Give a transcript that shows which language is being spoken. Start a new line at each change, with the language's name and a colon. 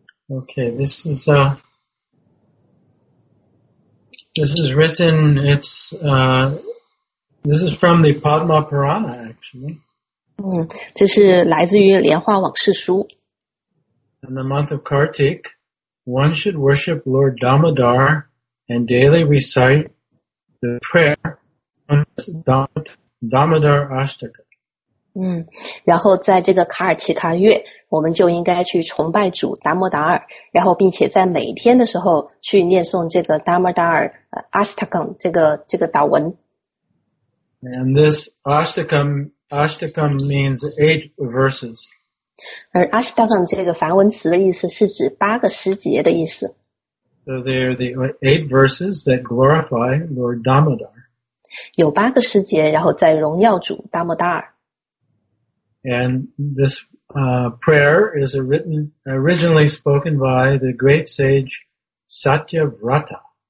English: Okay, this is written, this is from the Padma Purana, actually.
Chinese: 这是来自于莲花往事书。
English: In the month of Kartik, one should worship Lord Dhammadhar and daily recite the prayer on Dhammadhar Ashtaka.
Chinese: 然后在这个卡尔奇卡月我们就应该去崇拜主达摩达尔然后并且在每天的时候去念诵这个达摩达尔阿斯塔康这个祷文。
English: And this Ashtakam means 8 verses.
Chinese: 而 Ashtakam 这个梵文词的意思是指八个诗节的意思。
English: So they are the 8 verses that glorify Lord Dhammadhar.
Chinese: 有八个诗节然后再荣耀主达摩达尔。
English: And this prayer is originally spoken by the great sage Satyavrata.